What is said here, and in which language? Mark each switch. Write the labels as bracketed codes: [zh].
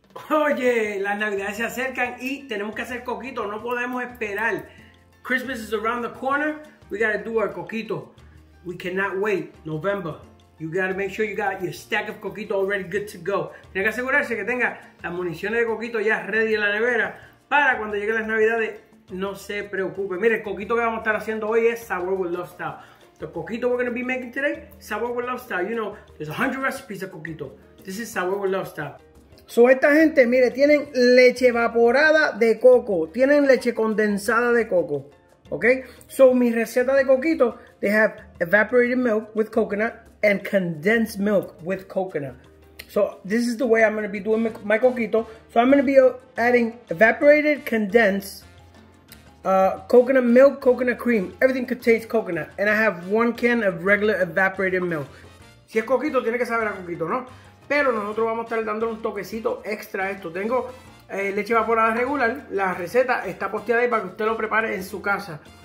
[es] Oye, las navidades se acercan y tenemos que hacer coquito, no podemos esperar. [en] Christmas is around the corner, we gotta do our coquito. We cannot wait, November. You gotta make sure you got your stack of coquito already good to go. [es] Tiene que asegurarse que tenga las municiones de coquito ya ready en la nevera para cuando lleguen las navidades, no se preocupe. Mire, el coquito que vamos a estar haciendo hoy es Sabor with Love Style. [en] The coquito we're gonna be making today, Sabor with Love Style. You know, there's 100 recipes of coquito. This is Sabor with Love Style. [es] So, esta gente, mire, tienen leche evaporada de coco, tienen leche condensada de coco, ¿ok? [en] So, [es] mi receta de coquito, [en] they have evaporated milk with coconut and condensed milk with coconut. So, this is the way I'm going to be doing my coquito. So, I'm going to be adding evaporated, condensed, coconut milk, coconut cream. Everything contains coconut. And I have one can of regular evaporated milk. [es] Si es coquito, tiene que saber a coquito, ¿no? Pero nosotros vamos a estar dando un toquecito extra a esto. Tengo leche evaporada regular. La receta está posteada ahí para que usted lo prepare en su casa.